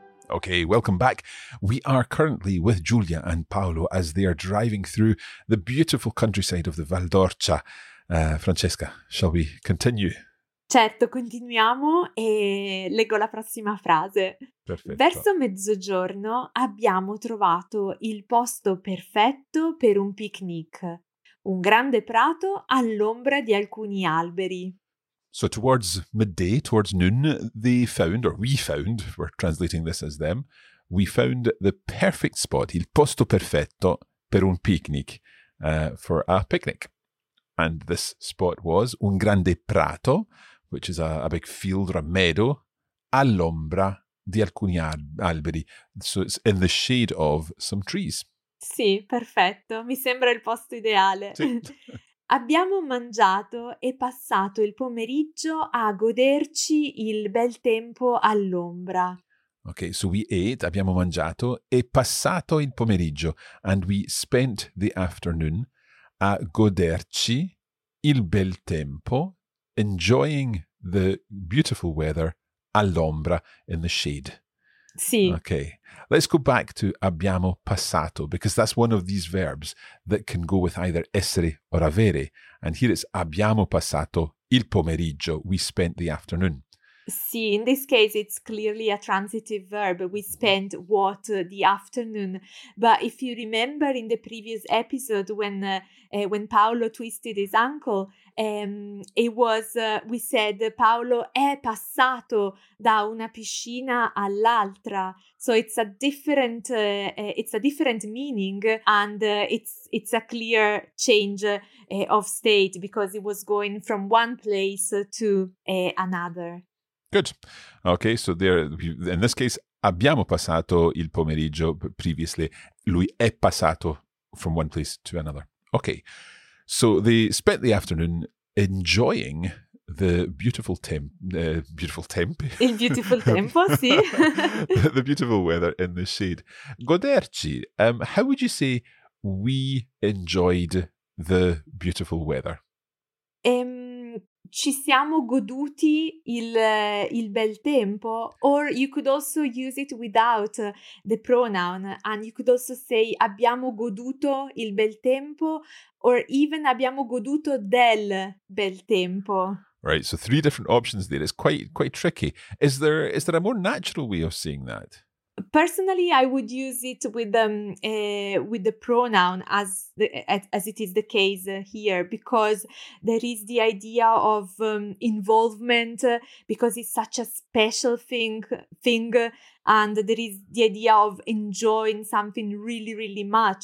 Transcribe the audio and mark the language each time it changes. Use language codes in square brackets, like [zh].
[en] Okay, welcome back. We are currently with Giulia and Paolo as they are driving through the beautiful countryside of the Val d'Orcia. Francesca, shall we continue? [it] Certo, continuiamo e leggo la prossima frase. Perfetto. Verso mezzogiorno abbiamo trovato il posto perfetto per un picnic. Un grande prato all'ombra di alcuni alberi. [en] So towards midday, towards noon, they found, or we found, we're translating this as them, we found the perfect spot, [it] il posto perfetto per un picnic, [en] for a picnic. And this spot was [it] un grande prato, [en] which is a big field or a meadow, [it] all'ombra di alcuni alberi. [en] So it's in the shade of some trees. [it] Sì, perfetto. Mi sembra il posto ideale. Sì. Abbiamo mangiato e passato il pomeriggio a goderci il bel tempo all'ombra. [en] Ok, so we ate, [it] abbiamo mangiato e passato il pomeriggio, [en] and we spent the afternoon [it] a goderci il bel tempo, [en] enjoying the beautiful weather all'ombra, in the shade. [it] Sì. [en] Okay, let's go back to abbiamo passato, because that's one of these verbs that can go with either essere or avere. [it] And here it's abbiamo passato il pomeriggio. [en] We spent the afternoon. Sì, in this case, it's clearly a transitive verb. We spent what, the afternoon. But if you remember in the previous episode when Paolo twisted his ankle, we said [it] Paolo è passato da una piscina all'altra. [en] So it's a different meaning, and it's a clear change of state, because it was going from one place to another. Good. Okay, so there, in this case, [it] abbiamo passato il pomeriggio [en] previously. [it] Lui è passato [en] from one place to another. Okay, so they spent the afternoon enjoying the beautiful temp, beautiful temp. [it] Il beautiful tempo, sì. [en] the beautiful weather in the shade. Goderci, how would you say we enjoyed the beautiful weather? [it] Ci siamo goduti il bel tempo. [en] Or you could also use it without the pronoun. And you could also say [it] abbiamo goduto il bel tempo. Or even abbiamo goduto del bel tempo. [en] Right, so three different options there. It's quite tricky. Is there a more natural way of saying that? Personally, I would use it with the pronoun as it is the case here, because there is the idea of involvement, because it's such a special thing, and there is the idea of enjoying something really, really much.